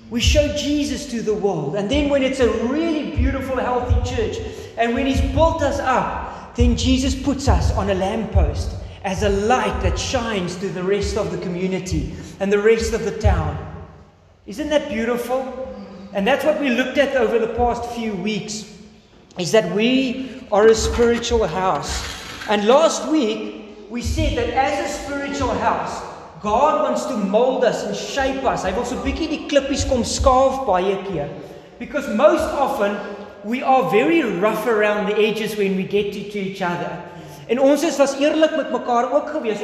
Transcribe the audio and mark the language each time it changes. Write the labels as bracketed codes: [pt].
[en] We show Jesus to the world. And then when it's a really beautiful, healthy church, and when he's built us up, then Jesus puts us on a lamppost as a light that shines to the rest of the community and the rest of the town. Isn't that beautiful? And that's what we looked at over the past few weeks, is that we are a spiritual house. And last week, we said that as a spiritual house, God wants to mold us and shape us. [af] Hy wil so bietjie die klippies kom skaaf baie keer. [en] Because most often, we are very rough around the edges when we get to each other. [af] En ons is was eerlik met mekaar ook gewees.